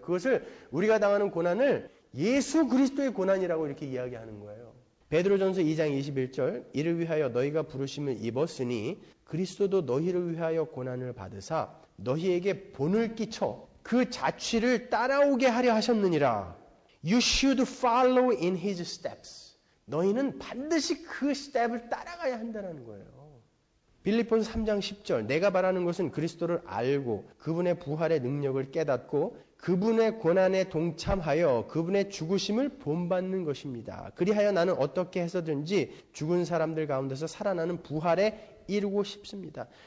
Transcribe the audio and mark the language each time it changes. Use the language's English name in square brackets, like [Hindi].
[Korean] 그것을 우리가 당하는 고난을 예수 그리스도의 고난이라고 이렇게 이야기하는 거예요. 베드로전서 2장 21절, 이를 위하여 너희가 부르심을 입었으니 그리스도도 너희를 위하여 고난을 받으사 너희에게 본을 끼쳐 그 자취를 따라오게 하려 하셨느니라. [English] You should follow in his steps. [Korean] 너희는 반드시 그 스텝을 따라가야 한다는 거예요. 빌립보서 3장 10절, 내가 바라는 것은 그리스도를 알고 그분의 부활의 능력을 깨닫고 그분의 고난에 동참하여 그분의 죽으심을 본받는 것입니다. 그리하여 나는 어떻게 해서든지 죽은 사람들 가운데서 살아나는 부활에 이르고 싶습니다.